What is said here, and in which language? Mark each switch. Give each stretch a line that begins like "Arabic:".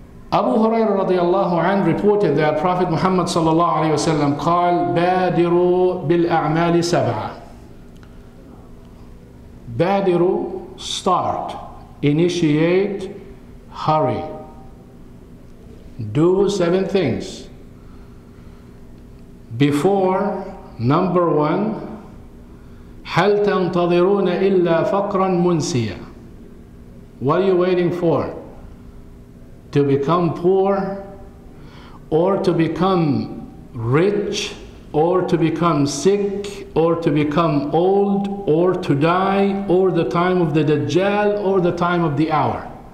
English: Abu Hurairah radiallahu anhu reported that Prophet Muhammad sallallahu alayhi wa sallam
Arabic: قال بادروا بالأعمال سبعة.
English: بادروا, start, initiate, hurry. Do seven things. Before, number one,
Arabic: هل تنتظرون إلا فقرا منسيا.
English: What are you waiting for? To become poor, or to become rich, or to become sick, or to become old, or to die, or the time of the Dajjal, or the time of the hour.